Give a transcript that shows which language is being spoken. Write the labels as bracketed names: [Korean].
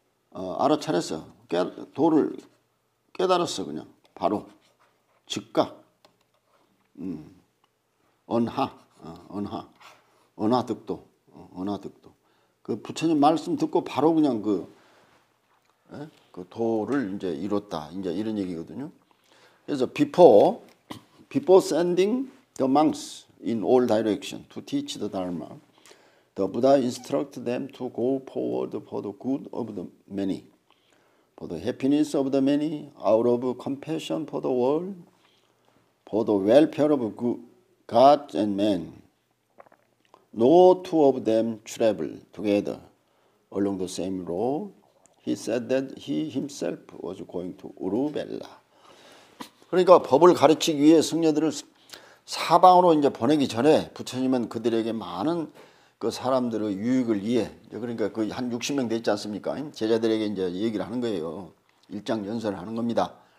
[Korean] 알아차렸어. 도를 깨달았어, 그냥. 바로. 즉각. 언하. 언하. 언하득도. 언하득도. 그 부처님 말씀 듣고 바로 그냥 그, 예? 그 도를 이제 이뤘다. 이제 이런 얘기거든요. 그래서 [English] before sending the monks in all direction to teach the Dharma, the Buddha instructed them to go forward for the good of the many, for the happiness of the many, out of compassion for the world, for the welfare of God and man. No two of them traveled together along the same road. He said that he himself was going to Uruvela. [Korean] 그러니까 법을 가르치기 위해 승려들을 사방으로 이제 보내기 전에 부처님은 그들에게 많은 그 사람들의 유익을 위해, 그러니까 그 한 60명 됐지 않습니까? 제자들에게 이제 얘기를 하는 거예요. 일장 연설을 하는 겁니다.